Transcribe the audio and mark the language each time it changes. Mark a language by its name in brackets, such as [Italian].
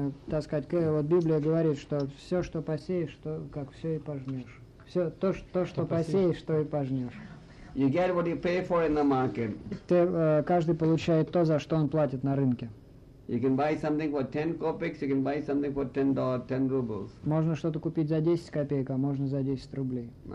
[Russian] Так сказать, вот Библия говорит, что все, что посеешь, то как все и пожнешь. Все то, что посеешь, то и пожнешь. [English] You get what you pay for in the market. [Russian] Ты, каждый получает то, за что он платит на рынке. [English] You can buy something for 10 copecks, you can buy something for $10, 10 rubles. [Russian] Можно что-то купить за 10 копеек, а можно за 10 рублей.